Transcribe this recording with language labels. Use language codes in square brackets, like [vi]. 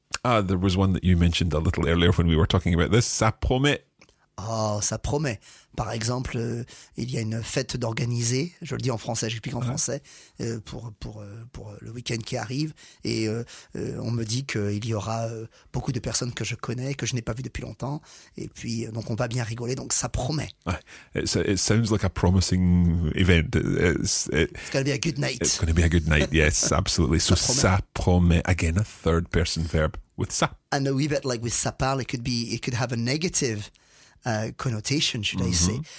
[en] Ah, there was one that you mentioned a little earlier when we were talking about this. [fr] Ça promet. Oh, ça promet. Par exemple, il y a une fête d'organiser, je le dis en français, j'explique en français, pour le week-end qui arrive. Et on me dit qu'il y aura beaucoup de personnes que je connais, que je n'ai pas vues depuis longtemps. Et puis, donc on va bien rigoler, donc ça promet. [en] It sounds like a promising event. It's going to be a good night. It's going to be a good night, yes, absolutely. So ça promet, again, a third person verb with ça. And a wee bit like with ça parle, it could have a negative connotation, should I say.